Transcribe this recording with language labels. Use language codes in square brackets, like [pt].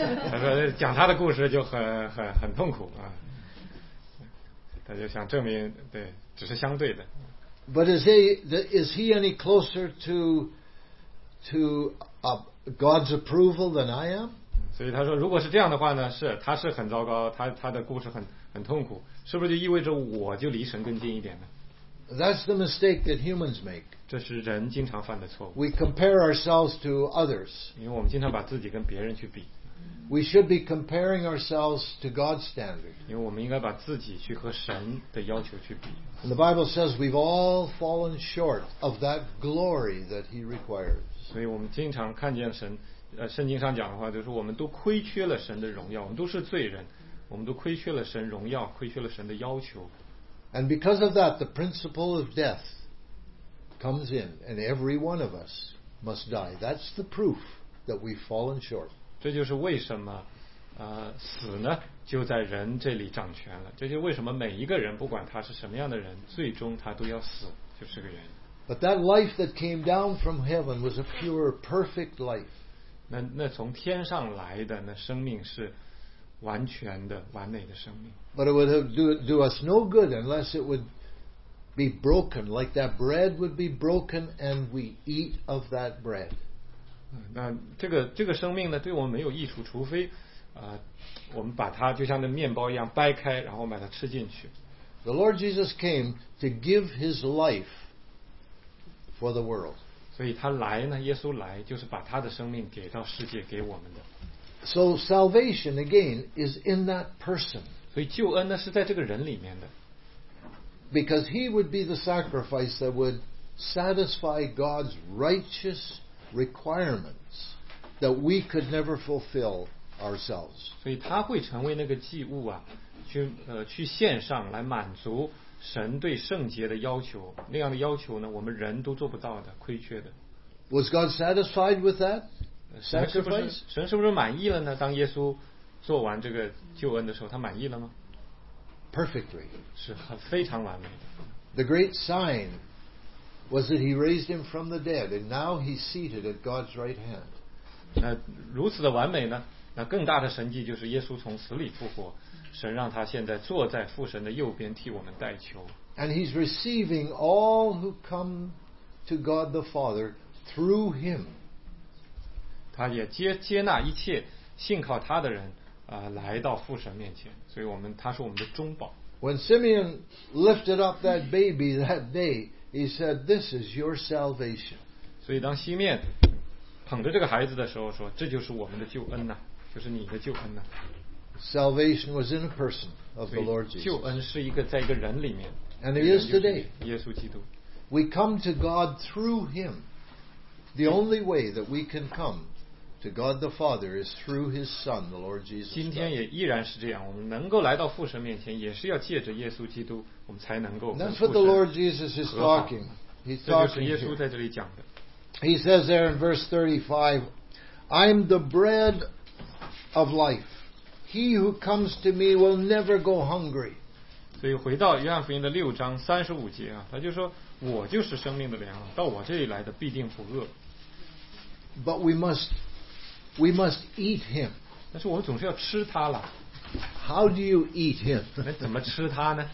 [zh] 他说讲他的故事就很痛苦啊。他就想证明，对，只是相对的。 [en] But is he any closer to God's approval than I am? [zh] 所以他说，如果是这样的话呢，是他是很糟糕，他的故事很痛苦，是不是就意味着我就离神更近一点呢？ [en] That's the mistake that humans make. [zh] 这是人经常犯的错误。 [en] We compare ourselves to others. [zh] 因为我们经常把自己跟别人去比。 [en] We should be comparing ourselves to God's standard. [zh] 因为我们应该把自己去和神的要求去比。 [en] And the Bible says we've all fallen short of that glory that He requires. [zh] 所以我们经常看见神，圣经上讲的话就是我们都亏缺了神的荣耀，我们都是罪人，我们都亏缺了神荣耀，亏缺了神的要求。 [en] And because of that, the principle of death comes in, and every one of us must die. That's the proof that we've fallen short. [zh] 这就是为什么，死呢？就在人这里掌权了，这就为什么每一个人不管他是什么样的人，最终他都要死，就是个原因。 [en] But that life that came down from heaven was a pure, perfect life. [zh] 那从天上来的那生命是完全的、完美的生命。 [en] But it would do us no good unless it would be broken, like that bread would be broken, and we eat of that bread. [zh] 那这个生命呢，对我们没有益处，除非我们把它就像那面包一样掰开，然后把它吃进去。 [en] The Lord Jesus came to give His life for the world. [zh] 所以他来呢，耶稣来就是把他的生命给到世界给我们的。 [en] So salvation again is in that person. [zh] 所以救恩呢是在这个人里面的。 [en] Because he would be the sacrifice that would satisfy God's righteous requirements that we could never fulfill ourselves. [zh] 所以他会成为那个祭物啊，去献上来满足神对圣洁的要求。那样的要求呢，我们人都做不到的，亏缺的。 [en] Was God satisfied with that sacrifice? [zh] 神是不是满意了呢？当耶稣做完这个救恩的时候，他满意了吗？ [en] Perfectly. [zh] 是很非常完美的。 [en] The great sign was that he raised him from the dead, and now he's seated at God's right hand. [zh] 那如此的完美呢？那更大的神迹就是耶稣从死里复活，神让他现在坐在父神的右边替我们代求。 [en] And he's receiving all who come to God the Father through him. [zh] 他也接纳一切信靠他的人。来到父神面前，所以我们他是我们的中保。 [en] When Simeon lifted up that baby that day, he said, "This is your salvation." [zh] 所以当西面捧着这个孩子的时候说，这就是我们的救恩呐、啊，就是你的救恩呐、啊。 [en] Salvation was in a person of the Lord Jesus. [zh] 救恩是一个在一个人里面。 [en] And it is today. [zh] 耶稣基督。 [en] We come to God through Him. The only way that we can come. To God the Father is through His Son, the Lord Jesus. [zh] 今天也依然是这样，我们能够来到父神面前，也是要借着耶稣基督，我们才能够跟父神和好。 [en] That's what the Lord Jesus is talking. He's talking. [zh] 这就是耶稣在这里讲的。 [en] He says there in verse 35, "I'm the bread of life. He who comes to me will never go hungry." [zh] 所以回到约翰福音的六章三十五节啊，他就说：“我就是生命的粮，到我这里来的必定不饿。” [en] But we must eat him. [zh] 但是我们总是要吃他了。 [en] How do you eat him? [zh] 那怎么吃他呢？